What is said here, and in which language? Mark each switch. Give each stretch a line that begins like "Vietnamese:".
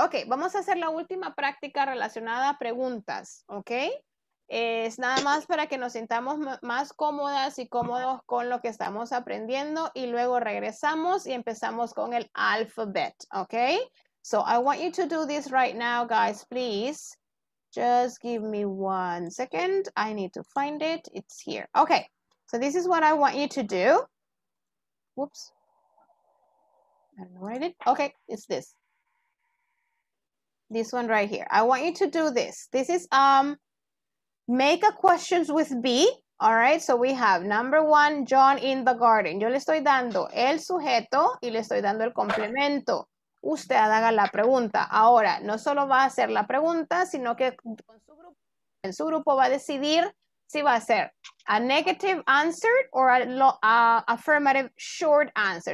Spanish: Okay, vamos a hacer la última práctica relacionada a preguntas, okay? Es nada más para que nos sintamos más cómodas y cómodos con lo que estamos aprendiendo y luego regresamos y empezamos con el alphabet, okay?
English: So I want you to do this right now, guys, please. Just give me 1 second. I need to find it. It's here. Okay. So this is what I want you to do. Whoops. I don't know where it is. Okay. It's this. This one right here. I want you to do this. This is make a questions with B. All right. So we have number one, John in the garden.
Spanish: Yo le estoy dando el sujeto y le estoy dando el complemento. Usted haga la pregunta. Ahora, no solo va a hacer la pregunta, sino que en su grupo va a decidir si va a ser
English: a negative answer or a affirmative short answer.